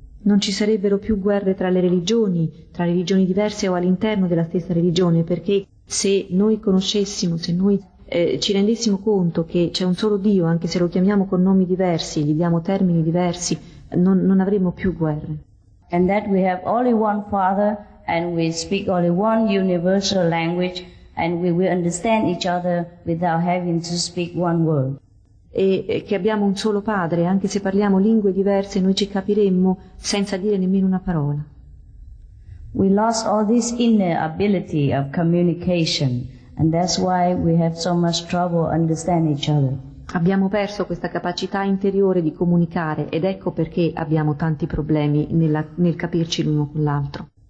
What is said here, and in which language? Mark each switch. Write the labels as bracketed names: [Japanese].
[Italian] Non ci sarebbero più guerre tra religioni diverse o all'interno della stessa religione, perché se noi conoscessimo, se noi ci rendessimo conto che c'è un solo Dio, anche se lo chiamiamo con nomi diversi, gli diamo termini diversi, non avremmo più guerre. [English] And that we have only one Father, and we speak only one universal language, and we will understand each other without having to speak one word. [Italian] E che abbiamo un solo Padre, anche se parliamo lingue diverse, noi ci capiremmo senza dire nemmeno una parola. [English] We lost all this inner ability of communication, and that's why we have so much trouble understanding each other. [Italian] Abbiamo perso questa capacità interiore di comunicare ed ecco perché abbiamo tanti problemi nel capirci l'uno con l'altro.